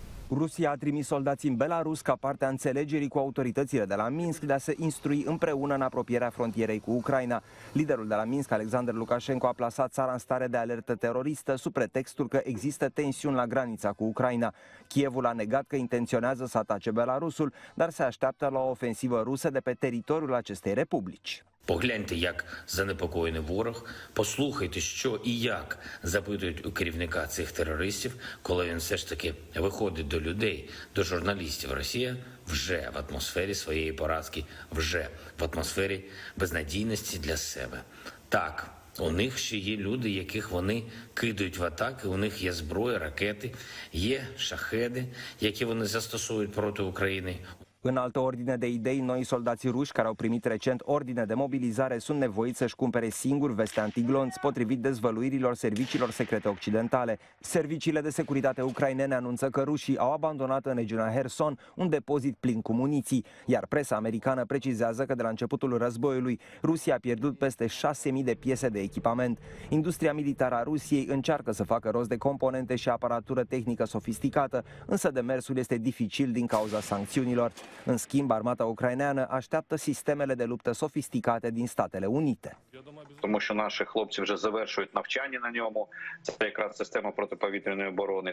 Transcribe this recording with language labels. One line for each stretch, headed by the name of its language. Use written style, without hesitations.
Romanian: Rusia a trimis soldați în Belarus ca parte a înțelegerii cu autoritățile de la Minsk de a se instrui împreună în apropierea frontierei cu Ucraina. Liderul de la Minsk, Alexander Lukashenko, a plasat țara în stare de alertă teroristă sub pretextul că există tensiuni la granița cu Ucraina. Kievul a negat că intenționează să atace Belarusul, dar se așteaptă la o ofensivă rusă de pe teritoriul acestei republici.
Ukrainian: Погляньте, як занепокоєний ворог, послухайте, що і як запитують у керівника цих терористів, коли він все ж таки виходить до людей, до журналістів. Росія вже в атмосфері своєї поразки, вже в атмосфері безнадійності для себе. Так, у них ще є люди, яких вони кидають в атаки, у них є зброя, ракети, є шахеди, які вони застосують проти України.
Romanian: În altă ordine de idei, noi soldații ruși care au primit recent ordine de mobilizare sunt nevoiți să-și cumpere singur veste antiglonți, potrivit dezvăluirilor serviciilor secrete occidentale. Serviciile de securitate ucrainene anunță că rușii au abandonat în regiunea Herson un depozit plin cu muniții, iar presa americană precizează că de la începutul războiului, Rusia a pierdut peste 6.000 de piese de echipament. Industria militară a Rusiei încearcă să facă rost de componente și aparatură tehnică sofisticată, însă demersul este dificil din cauza sancțiunilor. În schimb, armata ucraineană așteaptă sistemele de luptă sofisticate din Statele Unite.
Ukrainian: Тому що наші хлопці вже завершують навчання на ньому. Це якраз система протиповітряної оборони.